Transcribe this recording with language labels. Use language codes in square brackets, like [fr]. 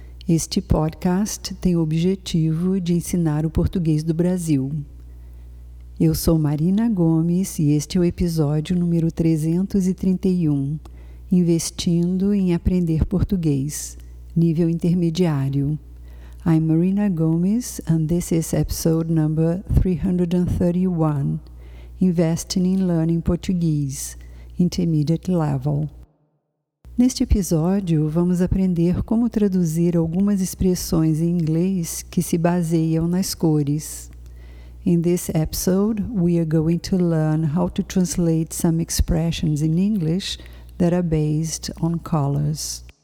[pt] Este podcast tem o objetivo de ensinar o português do Brasil. Eu sou Marina Gomes e este é o episódio número 331, Investindo em Aprender Português, Nível Intermediário. [en] I'm Marina Gomes, and this is episode number 331, Investing in Learning Portuguese, Intermediate Level. [pt] Neste episódio, vamos aprender como traduzir algumas expressões em inglês que se baseiam nas cores. [en] In this episode, we are going to learn how to translate some expressions in English that are based on colors.